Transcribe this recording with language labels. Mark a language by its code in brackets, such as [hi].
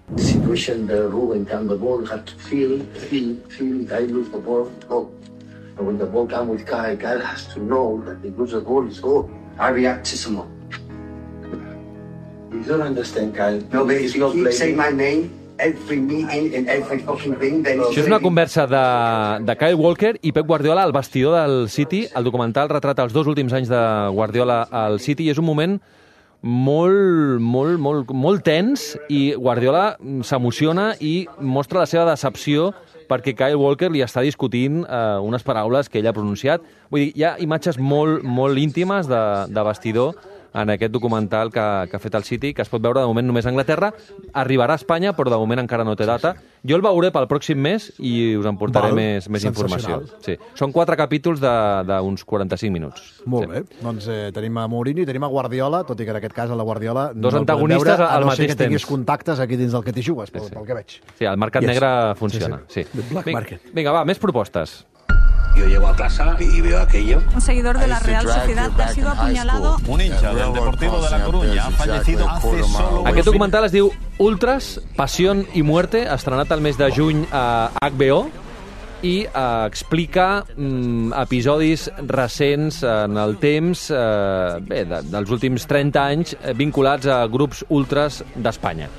[en] Situation where Ruben came the ball, had to feel, I lose the ball, oh. And when the ball came with Kyle has to know that he lose the ball, he's gone. I react to someone. You don't understand, Kyle. No, but if you keep saying my name every meeting and every fucking thing, then... [ca] Això és una conversa de Kyle Walker i Pep Guardiola al vestidor del City. El documental retrata els dos últims anys de Guardiola al City i és un moment molt tens, i Guardiola s'emociona i mostra la seva decepció perquè Kyle Walker li està discutint unes paraules que ell ha pronunciat. Vull dir, hi ha imatges molt íntimes de vestidor en aquest documental que ha fet el City, que es pot veure de moment només a Anglaterra. Arribarà a Espanya, però de moment encara no té data. Jo el veuré pel pròxim mes i us en portaré més informació. Sí. Són 4 capítols d'uns 45 minuts. Molt bé. Doncs tenim a Mourinho i tenim a Guardiola, tot i que en aquest cas a la Guardiola... Dos no antagonistes al mateix temps. A no ser que tinguis contactes aquí dins del que t'hi jugues, pel que veig. Sí, el mercat negre funciona. Sí. [en] Black market. [ca] Vinga, va, més propostes. [es] Yo llego a casa y veo aquello. Un seguidor de la Real Sociedad ha sido apuñalado. Un hincha del Deportivo de la Coruña ha fallecido hace solo... [ca] Aquest documental es diu Ultras, Pasión y Muerte, estrenat el mes de juny a HBO, i explica episodis recents en el temps, dels últims 30 anys, vinculats a grups ultras d'Espanya.